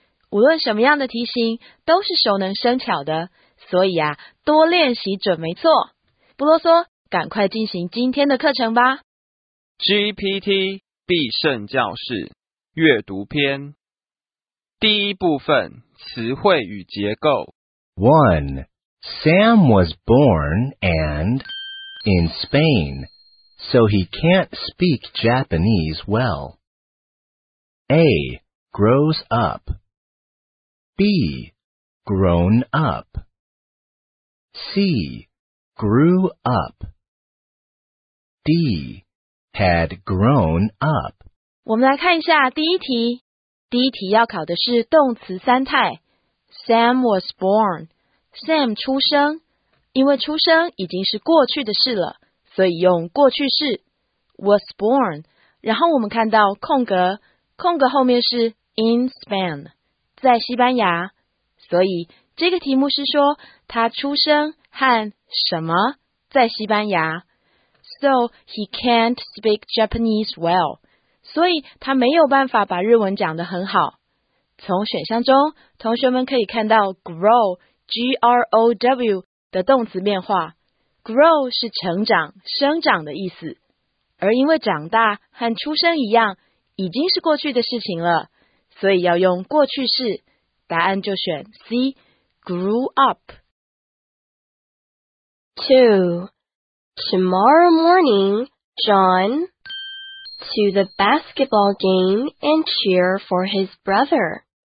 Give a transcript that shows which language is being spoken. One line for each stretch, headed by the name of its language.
Chinese: 无论什么样的题型都是熟能生巧的，所以啊，多练习准没错。不啰嗦，赶快进行今天的课程吧。 GPT 必胜教室阅读篇第一部分，词汇与结构。 1.
English: Sam was born and in Spain, so he can't speak Japanese well. A. Grows up. B. Grown up. C. Grew up. D. Had grown up.
Chinese: 我们来看一下第一题。第一题要考的是动词三态。
English: Sam was born.
Chinese: Sam 出生，因为出生已经是过去的事了，所以用过去式
English: was born.
Chinese: 然后我们看到空格，空格后面是
English: in Spain,
Chinese: 在西班牙。所以这个题目是说他出生和什么在西班牙。
English: So he can't speak Japanese well.
Chinese: 所以他没有办法把日文讲得很好。从选项中，同学们可以看到
English: grow, G-R-O-W
Chinese: 的动词变化。 Grow 是成长、生长的意思。而因为长大和出生一样，已经是过去的事情了，所以要用过去式。答案就选 C,
English: grew up. 2. Tomorrow morning, John, to the basketball game and cheer for his brother.